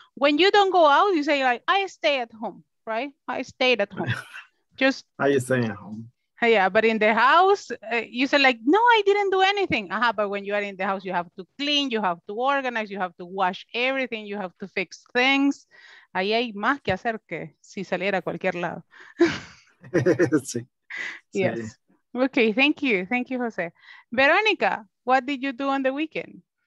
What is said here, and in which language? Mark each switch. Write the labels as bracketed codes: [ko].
[en] When you don't go out, you say like, I stay at home, right? I stayed at home. Just. I stay at home. Yeah, but in the house, you say like, no, I didn't do anything. Uh-huh, but when you are in the house, you have to clean, you have to organize, you have to wash everything, you have to fix things. [es] Ahí hay más que hacer que si saliera a cualquier lado. Sí. [en] Yes. Sí. Okay, thank you. Thank you, Jose. Veronica, what did you do on the weekend?